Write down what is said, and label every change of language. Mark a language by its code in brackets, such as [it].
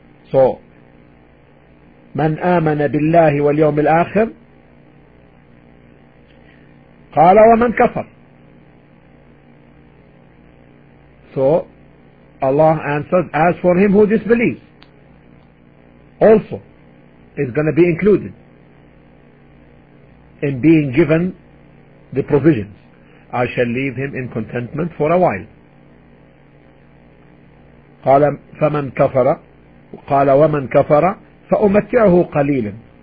[ar] So, من آمن بالله واليوم الآخر قال ومن كفر. [en] So, Allah answered, as for him who disbelieves, also is going to be included in being given the provisions. I shall leave him in contentment for a while. [ar] قال فمن كفر قال ومن كفر فأمتعه قليلا.